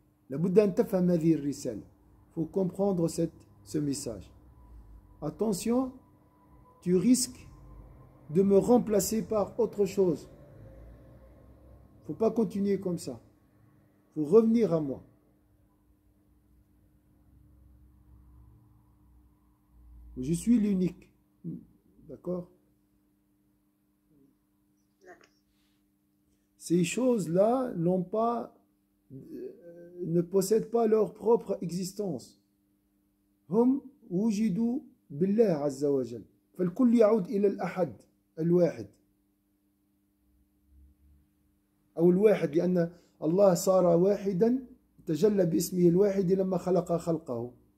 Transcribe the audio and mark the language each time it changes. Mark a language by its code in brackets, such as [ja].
[ar] لابد أن تفهم هذه الرسالة. [fr] Faut comprendre ce message. Attention, tu risques de me remplacer par autre chose. Faut pas continuer comme ça. Faut revenir à moi. Je suis l'unique. D'accord? Ces choses-là n'ont pas, ne possèdent pas leur propre existence. [ar] هم وجدوا بالله عز وجل. فالكل يعود إلى الأحد الواحد أو الواحد، لأن الله صار واحدا تجلى باسمه الواحد لما خلق خلقه.